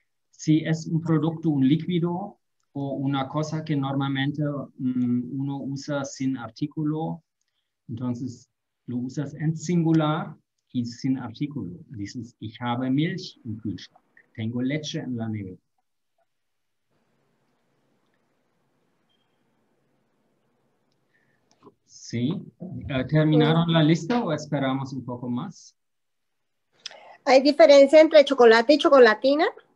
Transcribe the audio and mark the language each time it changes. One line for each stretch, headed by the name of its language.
Spanish: Si es un producto, un líquido o una cosa que normalmente uno usa sin artículo, entonces lo usas en singular y sin artículo. Dices,
German: ich habe Milch im Kühlschrank.
Spanish: Tengo leche en la nevera. ¿Sí? ¿Terminaron la lista o esperamos un poco más? ¿Hay diferencia entre chocolate y chocolatina?